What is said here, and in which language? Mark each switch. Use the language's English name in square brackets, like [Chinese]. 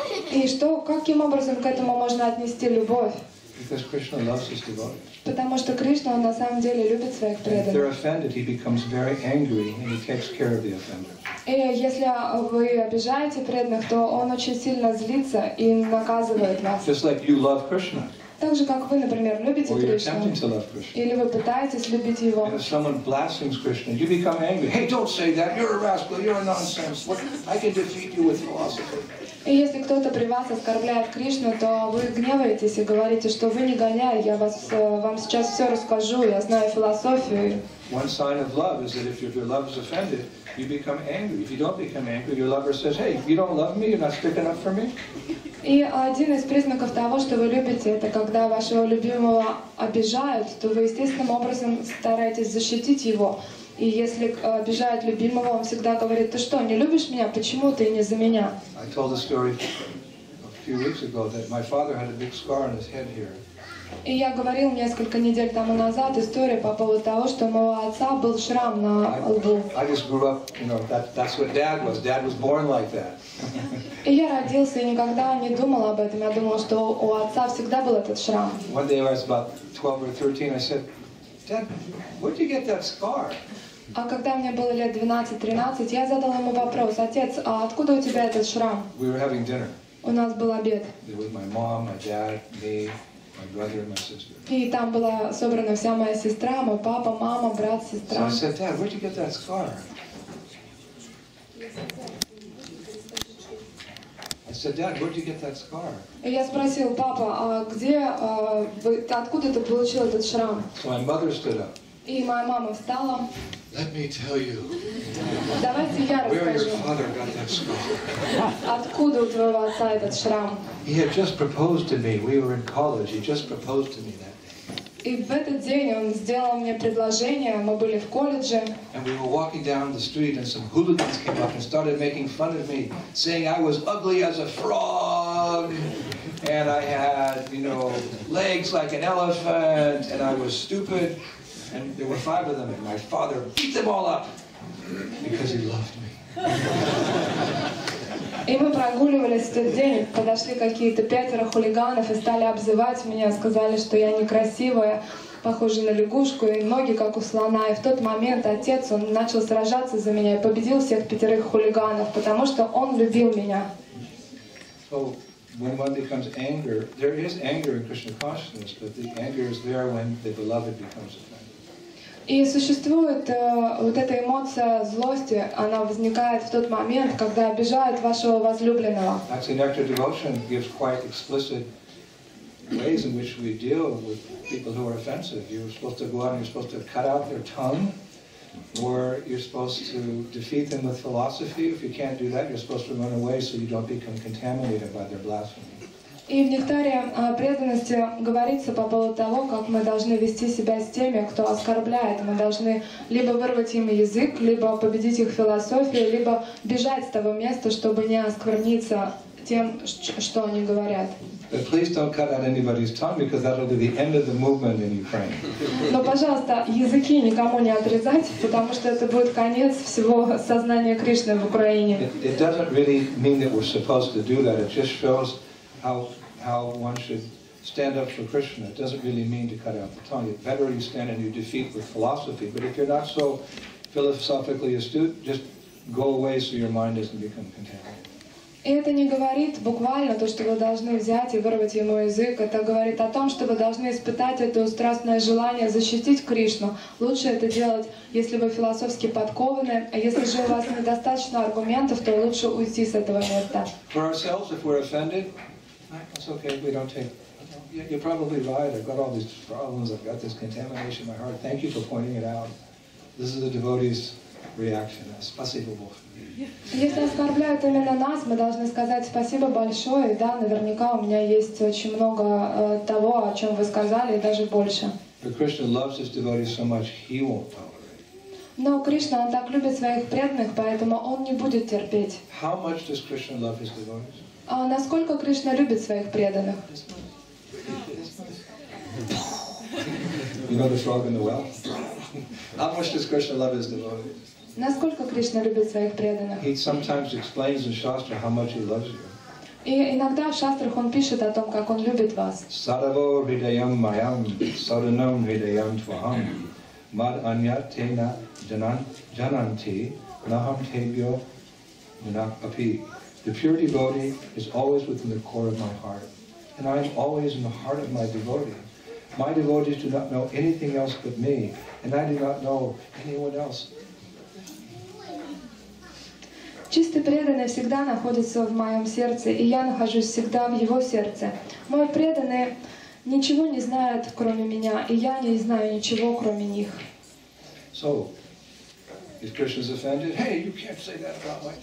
[Russian] И что, каким образом к этому можно отнести любовь? [English] Because Krishna loves his devotees. [Russian] Потому что Кришна на самом деле любит своих преданных. [English] If they're offended, he becomes very angry and he takes care of the offender. [Russian] И если вы обижаете преданных, то он очень сильно злится и наказывает вас. [English] Just like you love Krishna. [Russian] Так же, как вы, например, любите Кришну. Или вы пытаетесь любить его. [English] And if someone blasphemes Krishna, you become angry. Hey, don't say that. You're a rascal. You're a nonsense. Look, I can defeat you with philosophy. [Russian] И если кто-то при вас оскорбляет Кришну, то вы гневаетесь и говорите, что вы негодяй. Я вам сейчас все расскажу. Я знаю философию. [English] One sign of love is that if your love is offended, you become angry. If you don't become angry, your lover says, "Hey, you don't love me. You're not sticking up for me." [Russian] И один из признаков того, что вы любите, это когда вашего любимого обижают, то вы естественным образом стараетесь защитить его. И если обижают любимого, он всегда говорит, ты что, не любишь меня? Почему ты не за меня? [English] I told a story a few weeks ago that my father had a big scar on his head here. [Russian] И я говорил несколько недель тому назад историю по поводу того, что у моего отца был шрам на лбу. [English] I just grew up, you know, that's what dad was. Dad was born like that. [Russian] И я родился и никогда не думал об этом. Я думал, что у отца всегда был этот шрам. [English] One day I was about 12 or 13, I said, Dad, where'd you get that scar? [Russian] А когда мне было лет 12-13, я задал ему вопрос, отец, а откуда у тебя этот шрам? [English] We were having dinner. [Russian] У нас был обед. [English] It was my mom, my dad, me. My brother and my sister. [Russian] И там была собрана вся моя сестра, мой папа, мама, брат, сестра. [English] So I said, Dad, where'd you get that scar? I said, Dad, where'd you get that scar? [Russian] И я спросил папа, а где, откуда ты получил этот шрам? [English] So my mother stood up. [Russian] И моя мама встала. [English] Let me tell you. [Russian] Давайте я расскажу. [English] Where your father got that scar? [Russian] Откуда у твоего отца этот шрам? [English] He had just proposed to me. We were in college. He just proposed to me that day. [Russian] И в этот день он сделал мне предложение. Мы были в колледже. [English] And we were walking down the street, and some hooligans came up and started making fun of me, saying I was ugly as a frog, and I had, you know, legs like an elephant, and I was stupid. And there were five of them, and my father beat them all up because he loved me. [Russian] И мы прогуливались в тот день, подошли какие-то пятеро хулиганов и стали обзывать меня, сказали, что я некрасивая, похожа на лягушку, и ноги, как у слона. И в тот момент отец, он начал сражаться за меня и победил всех пятерых хулиганов, потому что он любил меня. [English] So, when one becomes anger, there is anger in Krishna consciousness, but the anger is there when the beloved becomes offended. [Russian] И существует вот эта эмоция злости, она возникает в тот момент, когда обижают вашего возлюбленного. [English] Actually, Nectar Devotion gives quite explicit ways in which we deal with people who are offensive. You're supposed to go out and you're supposed to cut out their tongue, or you're supposed to defeat them with philosophy. If you can't do that, you're supposed to run away so you don't become contaminated by their blasphemy. [Russian] И в Нектаре преданности говорится по поводу того, как мы должны вести себя с теми, кто оскорбляет. Мы должны либо вырвать им язык, либо победить их философию, либо бежать с того места, чтобы не оскверниться тем, что они говорят. [English] But please don't cut out anybody's tongue because that'll be the end of the movement in Ukraine. [Russian] Но пожалуйста, языки никому не отрезать, потому что это будет конец всего сознания Кришны в Украине. [English] It doesn't really mean that we're supposed to do that. It just shows how one should stand up for Krishna. It doesn't really mean to cut out the tongue. It's better you stand and you defeat with philosophy. But if you're not so philosophically astute, just go away so your mind doesn't become contaminated. [Russian] И это не говорит буквально то, что вы должны взять и вырвать ему язык. Это говорит о том, что вы должны испытать это страстное желание защитить Кришну. Лучше это делать, если вы философски подкованы. А если же у вас недостаточно аргументов, то лучше уйти с этого места. [English] For ourselves, if we're offended, it's okay, we don't take... You're probably right, I've got all these problems, I've got this contamination in my heart. Thank you for pointing it out. This is a devotee's [Russian] reaction. Спасибо Бог. Если оскорбляют именно нас, мы должны сказать спасибо большое. Да, наверняка у меня есть очень много того, о чем вы сказали, и даже больше. [English] But Krishna loves his devotees so much, he won't tolerate. [Russian] Но Кришна, он так любит своих преданных, поэтому он не будет терпеть. [English] How much does Krishna love his devotees? [Russian] А насколько Кришна любит своих преданных? [English] You know the frog in the well? How much does Krishna love his devotees? [Russian] Насколько Кришна любит своих преданных? [English] He sometimes explains in Shastra how much he loves you. [Russian] И иногда в шастрах он пишет о том, как он любит вас. [Sanskrit] Sarvo hridayam mayam, sarvam hridayam tvaham, mad anyate na jananti, naham tebyo munapapi. [English] The pure devotee is always within the core of my heart, and I am always in the heart of my devotee. My devotees do not know anything else but me, and I do not know anyone else. [Russian] Чистый преданный всегда находится в моем сердце, и я нахожусь всегда в его сердце. Мой преданный ничего не знает, кроме меня, и я не знаю ничего, кроме них. [English] So, if Krishna's offended, hey, you can't say that about my...